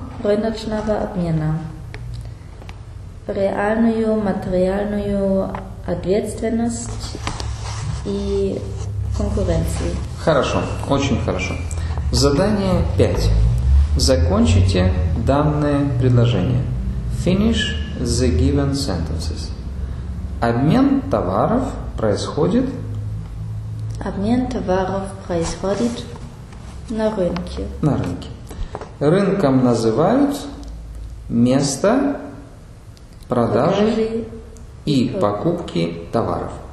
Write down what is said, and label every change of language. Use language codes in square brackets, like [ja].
[ru] рыночного обмена, реальную материальную ответственность и конкуренцию. Хорошо, очень хорошо. Задание 5. Закончите данное предложение. [en] Finish the given sentences. [ru] Обмен товаров происходит... Обмен товаров происходит на рынке. На рынке. Рынком называют место продажи и покупки товаров.